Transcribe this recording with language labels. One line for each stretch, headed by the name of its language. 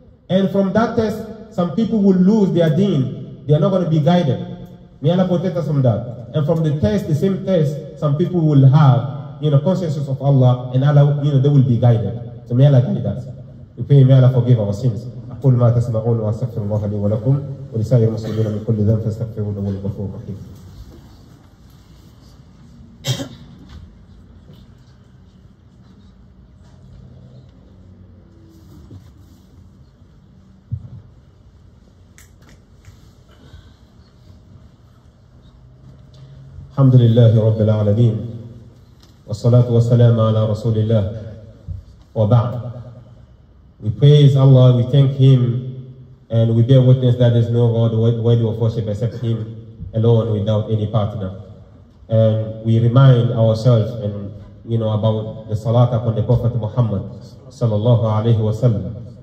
English: And from that test, some people will lose their deen. They are not going to be guided. May Allah protect us from that. And from the test, the same test, some people will have, you know, consciousness of Allah, and Allah, you know, they will be guided. So may Allah guide us. We pray, may Allah forgive our sins.
Arabic: أقول ما تسمعون وأستغفر الله لي ولكم ولسائر المسلمين من كل ذنب فاستغفروه إنه الغفور الرحيم. الحمد لله رب العالمين والصلاة والسلام على رسول الله وبعد.
English: We praise Allah, we thank Him, and we bear witness that there is no God worthy of worship except Him alone without any partner. And we remind ourselves and, you know, about the Salat upon the Prophet Muhammad sallallahu alayhi wa sallam.